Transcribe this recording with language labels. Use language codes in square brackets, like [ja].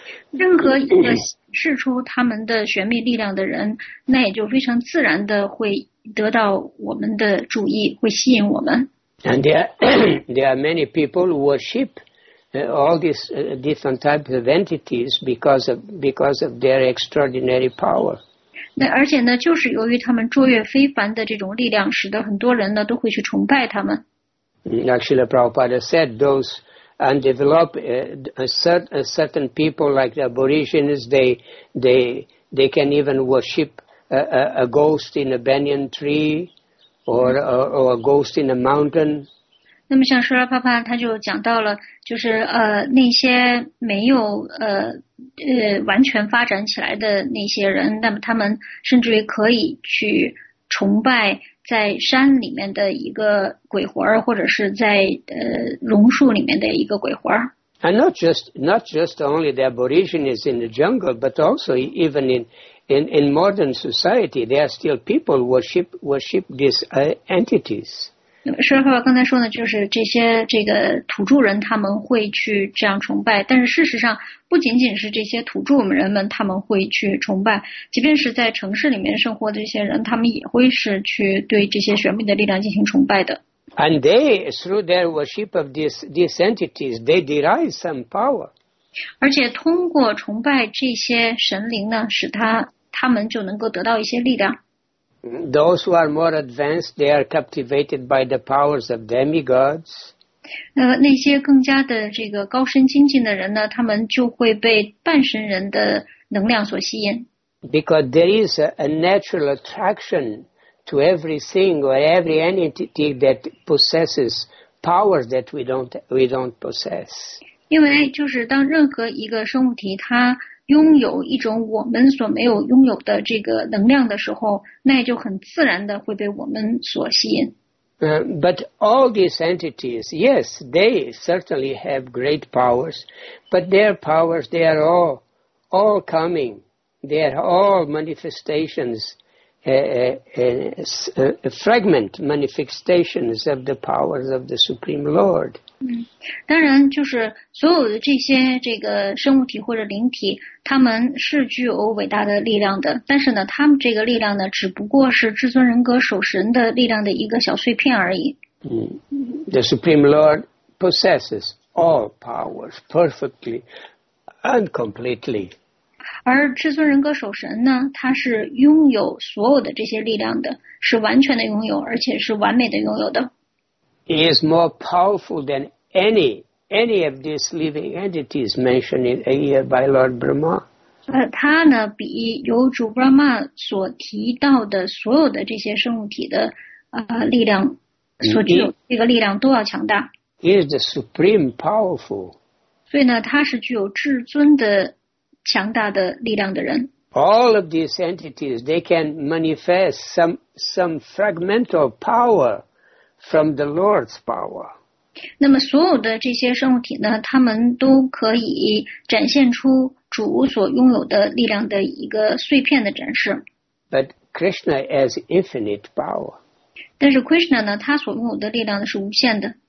[zh] 任何一个释出他们的玄秘力量的人，那也就非常自然的会得到我们的注意，会吸引我们。 [en] And there are many people who worship all these different types of entities because of their extraordinary power. [zh] 那而且呢，就是由于他们卓越非凡的这种力量，使得很多人呢都会去崇拜他们。 [en] Actually, Prabhupada said those undeveloped, certain people like the aborigines, they can even worship a ghost in a banyan tree or a ghost in a mountain. [zh] 那么像舍拉帕帕他就讲到了，就是那些没有完全发展起来的那些人，那么他们甚至于可以去崇拜在山里面的一个鬼魂，或者是在榕树里面的一个鬼魂。 [en] And not just only the aborigines in the jungle, but also even in modern society, there are still people worship these entities. [zh] 舍尔帕帕刚才说呢，就是这些这个土著人他们会去这样崇拜，但是事实上不仅仅是这些土著人们他们会去崇拜，即便是在城市里面生活的这些人，他们也会是去对这些玄秘的力量进行崇拜的。 [en] And they, through their worship of these entities, they derive some power. [zh] 而且通过崇拜这些神灵呢，使他们就能够得到一些力量。 [en] Those who are more advanced, they are captivated by the powers of demigods. [zh] 那些更加的这个高深精进的人呢，他们就会被半神人的能量所吸引。 [en] Because there is a natural attraction to everything or every entity that possesses powers that we don't possess. [zh] 因为就是当任何一个生物体它拥有一种我们所没有拥有的这个能量的时候，那也就很自然的会被我们所吸引。 [en] But all these entities, yes, they certainly have great powers, but their powers, they are all coming. They are all manifestations, fragment manifestations of the powers of the Supreme Lord. [zh] 当然就是所有的这些这个生物体或者灵体，他们是具有伟大的力量的，但是呢，他们这个力量呢，只不过是至尊人格守神的力量的一个小碎片而已。 [en] The Supreme Lord possesses all powers perfectly and completely. [zh] 而至尊人格守神呢，他是拥有所有的这些力量的，是完全的拥有，而且是完美的拥有的。 [en] He is more powerful than any of these living entities mentioned here by Lord Brahma. [zh] 他呢比由主 Brahma 所提到的所有的这些生物体的力量所具有这个力量都要强大。 [en] He is the supreme powerful. [zh] 所以呢，他是具有至尊的强大的力量的人。 [en] All of these entities, they can manifest some fragmental power. From the Lord's power. [zh] 那么所有的这些生物体呢，他们都可以展现出主所拥有的力量的一个碎片的展示。 [en] But Krishna has infinite power. [zh] 但是 Krishna 呢，他所拥有的力量是无限的。